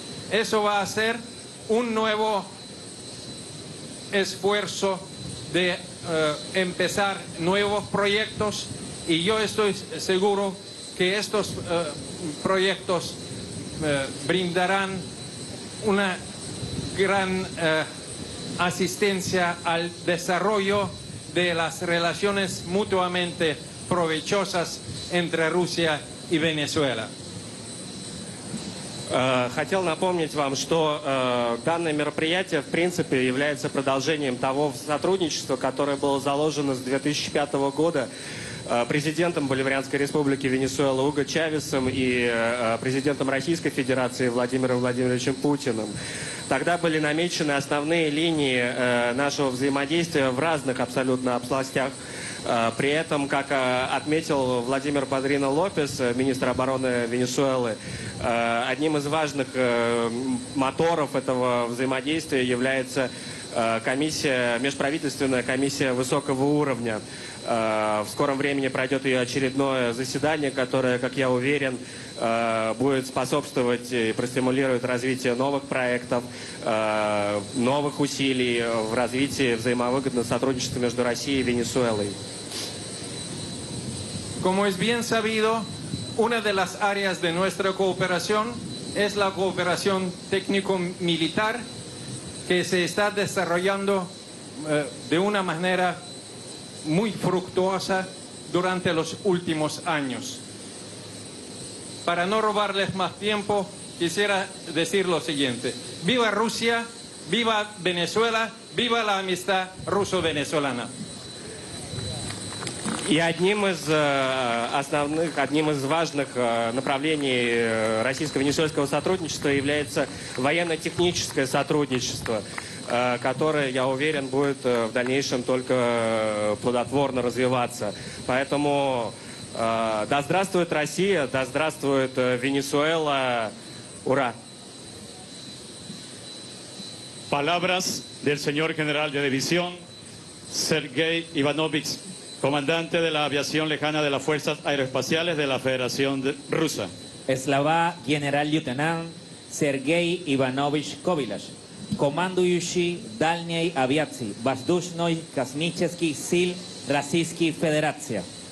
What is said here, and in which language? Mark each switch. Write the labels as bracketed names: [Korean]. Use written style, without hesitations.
[Spanish] Eso va a ser un nuevo esfuerzo de empezar nuevos proyectos y yo estoy seguro que estos proyectos brindarán una gran asistencia al desarrollo de las relaciones mutuamente provechosas entre Rusia y Venezuela. [Russian] Хотел напомнить вам, что данное мероприятие, в принципе, является продолжением того сотрудничества, которое было заложено с 2005 года президентом Боливарианской Республики Венесуэла Уго Чавесом и президентом Российской Федерации Владимиром Владимировичем Путиным. Тогда были намечены основные линии нашего взаимодействия в разных абсолютно областях. При этом, как отметил Владимир Падрино Лопес, министр обороны Венесуэлы, одним из важных моторов этого взаимодействия является комиссия, межправительственная комиссия высокого уровня. В скором времени пройдет ее очередное заседание, которое, как я уверен, будет способствовать и простимулировать развитие новых проектов, новых усилий в развитии взаимовыгодного сотрудничества между Россией и Венесуэлой. [Spanish] Como es bien sabido, una de las áreas de nuestra cooperación es la cooperación técnico-militar que se está desarrollando de una manera muy fructuosa durante los últimos años. Para no robarles más tiempo, quisiera decir lo siguiente. ¡Viva Rusia! ¡Viva Venezuela! ¡Viva la amistad ruso-venezolana! [Russian] И одним из важных направлений российско-венесуэльского сотрудничества является военно-техническое сотрудничество, которое, я уверен, будет в дальнейшем только плодотворно развиваться. Поэтому да здравствует Россия, да здравствует Венесуэла. Ура! [Spanish] Palabras del señor general de división Сергей Иванович. Comandante de la aviación lejana de las Fuerzas Aeroespaciales de la Federación Rusa. [Russian] Слова генерал-лейтенант Сергей Иванович Ковилаш, командующий дальней авиацией воздушной космических сил Российской Федерации.